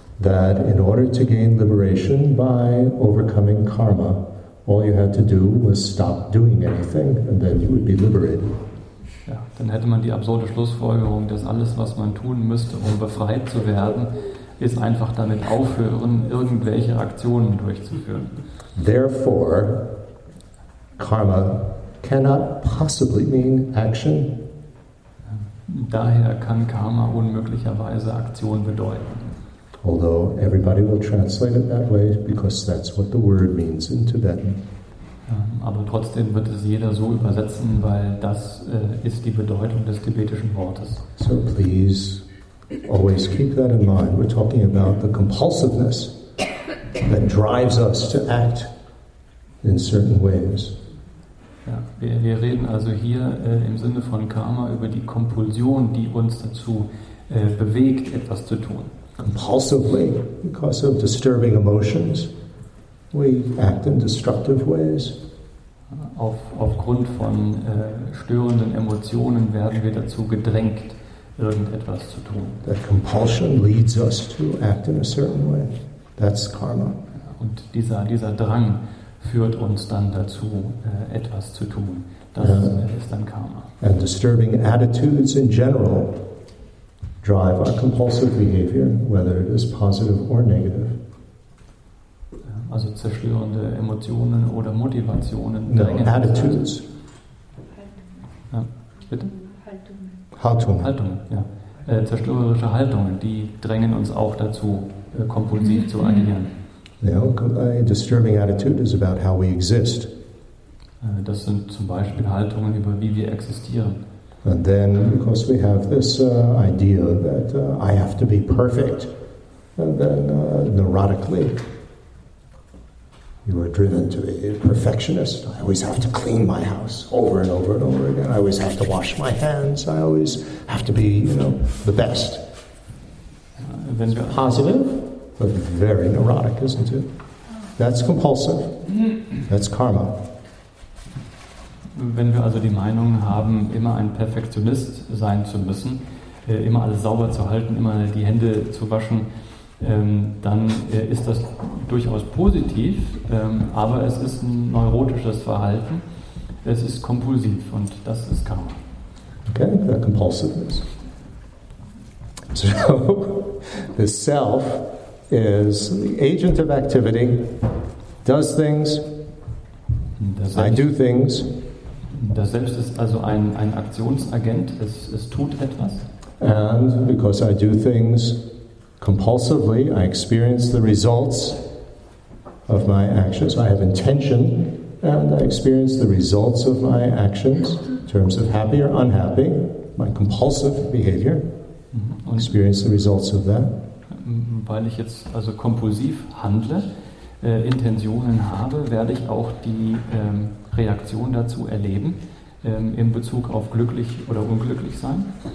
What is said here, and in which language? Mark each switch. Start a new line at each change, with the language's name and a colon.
English: That in order to gain liberation by overcoming karma, all you had to do was stop doing anything, and then you would be liberated.
German: Ja, dann hätte man die absurde Schlussfolgerung, dass alles, was man tun müsste, um befreit zu werden, ist einfach damit aufhören, irgendwelche Aktionen durchzuführen.
English: Therefore, karma cannot possibly mean action.
German: Daher kann Karma unmöglicherweise Aktion bedeuten.
English: Although everybody will translate it that way, because that's what the word means in Tibetan.
German: Aber trotzdem wird es jeder so übersetzen, weil das ist die Bedeutung des tibetischen Wortes.
English: So please always keep that in mind. We're talking about the compulsiveness that drives us to act in certain ways.
German: Ja, wir reden also hier im Sinne von Karma über die Kompulsion, die uns dazu bewegt, etwas zu tun.
English: Compulsively, because of disturbing emotions, we act in destructive ways.
German: Aufgrund von störenden Emotionen werden wir dazu gedrängt, irgendetwas zu tun.
English: That compulsion leads us to act in a certain way. That's karma.
German: Und dieser Drang führt uns dann dazu, etwas zu tun. Das ist dann Karma.
English: And disturbing attitudes in general drive our compulsive behavior, whether it is positive or negative.
German: Also zerstörende Emotionen oder Motivationen.
English: Attitudes.
German: Bitte? Haltungen. Haltungen, ja. Zerstörerische Haltungen, die drängen uns auch dazu, kompulsiv zu agieren.
English: You know, a disturbing attitude is about how we exist.
German: Das sind zum Beispiel Haltungen über wie wir existieren.
English: And then, because we have this idea that I have to be perfect, and then neurotically, you are driven to be a perfectionist. I always have to clean my house over and over and over again. I always have to wash my hands. I always have to be, you know, the best. Then it's positive, but very neurotic, isn't it? That's compulsive. That's karma.
German: Wenn wir also die Meinung haben, immer ein Perfektionist sein zu müssen, immer alles sauber zu halten, immer die Hände zu waschen, dann ist das durchaus positiv, aber es ist ein neurotisches Verhalten, es ist kompulsiv und das ist Karma.
English: Okay, compulsiveness. So, the self is the agent of activity, does things, I do things.
German: Das Selbst ist also ein Aktionsagent, es tut etwas.
English: And because I do things compulsively, I experience the results of my actions. I have intention and I experience the results of my actions in terms of happy or unhappy, my compulsive behavior. I experience the results of that.
German: Weil ich jetzt also kompulsiv handle, Intentionen habe, werde ich auch die Reaktion dazu erleben, in Bezug auf glücklich oder unglücklich sein.